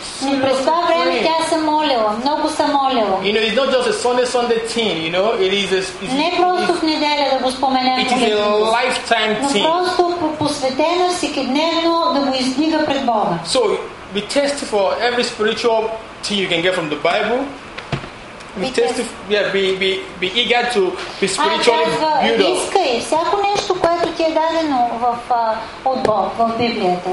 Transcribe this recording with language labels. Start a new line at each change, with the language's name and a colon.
Bulgarian: Но през това време тя се молила, много се молила.
English: You know, it's not just a Sunday thing, you know. It is a.
Bulgarian: Не просто в неделя да го споменем.
English: It is a lifetime thing.
Bulgarian: Но просто посветена всекидневно да го издига пред Бога.
English: So be tested for every spiritual thing you can get from the Bible. Be eager to be spiritually built up.
Bulgarian: Искай всяко нещо, което ти е дадено от Бог в Библията.